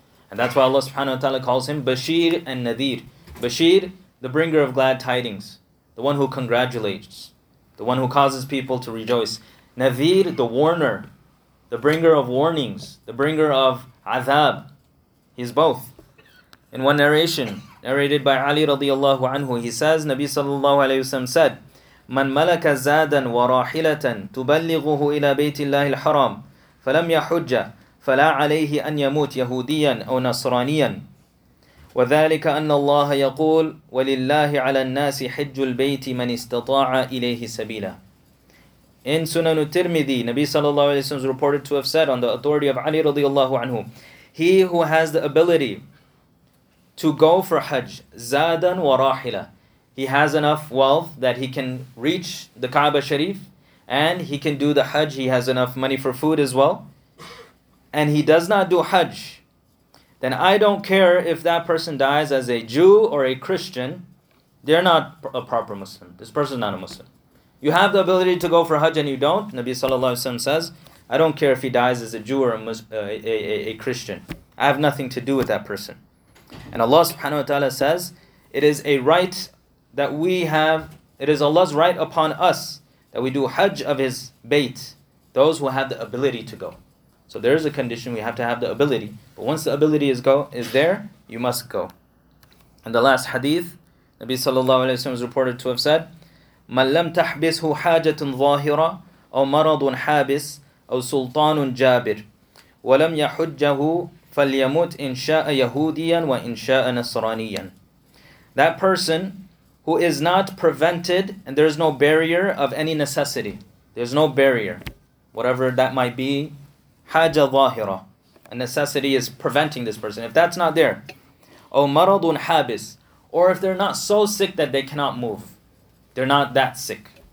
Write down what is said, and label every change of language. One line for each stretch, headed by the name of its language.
English: And that's why Allah subhanahu wa ta'ala calls him Bashir and Nadir. Bashir, the bringer of glad tidings, the one who congratulates, the one who causes people to rejoice. Nadir, the warner, the bringer of warnings, the bringer of azab. He's both. In one narration, narrated by Ali radiallahu anhu, he says, Nabi sallallahu alaihi wasallam said,
Arabic: من ملك زادا وراحلة تبلغه إلى بيت الله الحرام فلم يحج فلا عليه أن يموت يهوديا أو نصرانيا وذلك أن الله يقول ولله على الناس حج البيت من استطاع إليه سبيلا.
English: In Sunan al-Tirmidhi, Nabi sallallahu alayhi wa sallam is reported to have said on the authority of Ali radiallahu anhu, he who has the ability to go for Hajj, zadan wa rahila, he has enough wealth that he can reach the Kaaba Sharif and he can do the Hajj, he has enough money for food as well, and he does not do Hajj, then I don't care if that person dies as a Jew or a Christian, they're not a proper Muslim. This person is not a Muslim. You have the ability to go for Hajj and you don't. Nabi sallallahu alayhi wa sallam says, I don't care if he dies as a Jew or a Christian. I have nothing to do with that person. And Allah subhanahu wa ta'ala says, it is a right that we have, it is Allah's right upon us that we do Hajj of His bait, those who have the ability to go. So there is a condition, we have to have the ability. But once the ability is there, you must go. And the last hadith, Nabi sallallahu alayhi wa sallam is reported to have said,
Arabic: مَنْ لَمْ تَحْبِسْهُ حَاجَةٌ ظَاهِرَةٌ أَوْ مَرَضٌ حَابِسٌ أَوْ سُلْطَانٌ جَابِرٌ وَلَمْ يَحُجَّهُ فَلْيَمُوتْ إِنْ شَاءَ يَهُودِيًا وَإِنْ شَاءَ نَصْرَانِيًا.
English: That person who is not prevented and there is no barrier of any necessity. There is no barrier. Whatever that might be,
Arabic: حَاجَةٌ ظَاهِرَةٌ.
English: A necessity is preventing this person. If that's not there,
Arabic: أَوْ مَرَضٌ حَابِسٌ.
English: Or if they're not so sick that they cannot move. They're not that sick.